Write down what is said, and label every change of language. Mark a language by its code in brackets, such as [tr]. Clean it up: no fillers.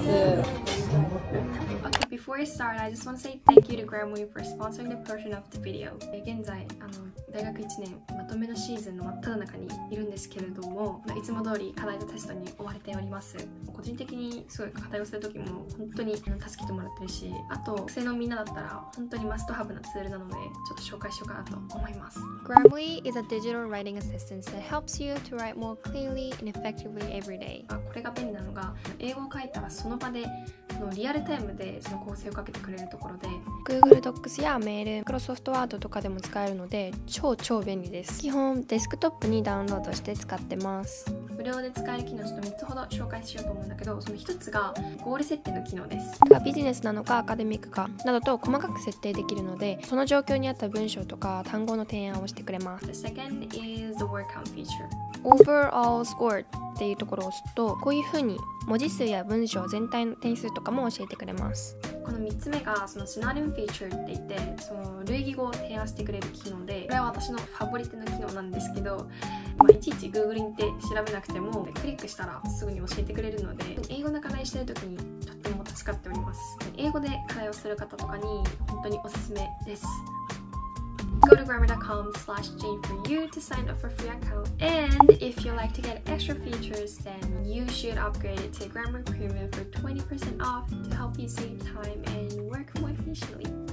[en] Okay, before I start, I just want to say thank you to Grammarly for sponsoring the portion of the video. [ja] 現在大学1年まとめのシーズンの真っ只中にいるんですけれども、いつも通り課題とテストに追われております。個人的にすごい課題をする時も本当に助けてもらってるし、あと学生のみんなだったら本当にマストハブなツールなので、ちょっと紹介しようかなと思います。 [en] Grammarly is a digital writing assistant that helps you to write more clearly and effectively every day. [ja] これが便利なのが、英語を書いたらその場でリアルタイムでその構成をかけてくれるところで、 Google Docs やメール、Microsoft Word とかでも使えるので超超便利です。基本デスクトップにダウンロードして使ってます。無料で使える機能ちょっと3つほど紹介しようと思うんだけど、その1つがゴール設定の機能です。ビジネスなのかアカデミックかなどと細かく設定できるので、その状況に合った文章とか単語の提案をしてくれます。 [en] The second is the word count feature. Overall score [ja] っていうところを押すと、こういう風に文字数や文章全体の点数とかも教えてくれます。この3つ目がそのシナリオフィーチャーって言って、その類義語を提案してくれる機能で、これは私のファボリテの機能なんですけど、まあ、いちいち Google にて調べなくてもクリックしたらすぐに教えてくれるので、英語の課題してる時にとっても助かっております。英語で課題をする方とかに本当におすすめです。 [en] go to grammar.com/jane for you to sign up for free account. And if you like to get extra features, then you should upgrade it to Grammar Premium for 20% off to help you save time and work more efficiently.